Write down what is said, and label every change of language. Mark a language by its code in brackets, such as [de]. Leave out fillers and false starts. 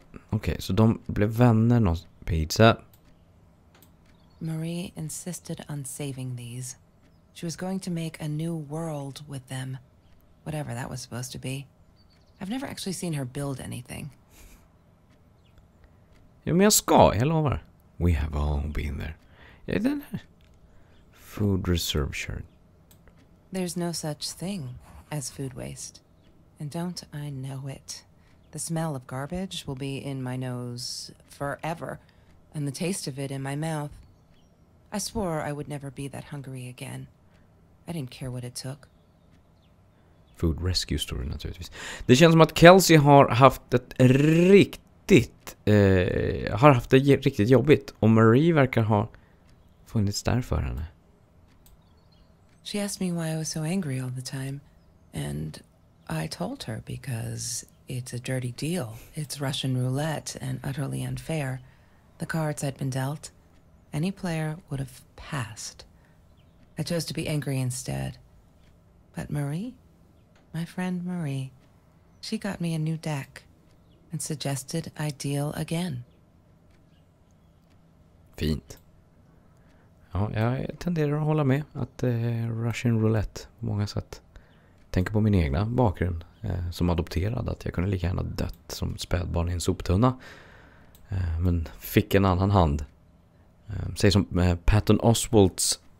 [sv] Okej, så de blev vänner någonstans. Pizza. [en] Marie insisted on saving these. She was going to make a new world with them. Whatever that was supposed to be. I've never actually seen her build anything. [sv] Ja, men jag ska, jag lovar. [en] We have all been there. [sv] Ja, den här. [en] Food reserve shirt. There's no such thing as food waste. And don't I know it. The smell of garbage will be in my nose forever, and the taste of it in my mouth. I swore I would never be that hungry again. I didn't care what it took. Food rescue story, naturligtvis. [sv] Det känns som att Kelsey har haft ett riktigt riktigt jobbigt, och Marie verkar ha funnits där för henne. [en] She asked me why I was so angry all the time, and I told her because it's a dirty deal. It's Russian roulette and utterly unfair. The cards I'd been dealt, any player would have passed. I chose to be angry instead. But Marie, my friend Marie, she got me a new deck and suggested I deal again. [sv] Fint. Ja, jag tenderar att hålla med att Russian roulette på många sätt. Tänker på min egna bakgrund som adopterad, att jag kunde lika gärna dött som spädbarn i en soptunna. Men fick en annan hand. Säg som Patton Oswalt's.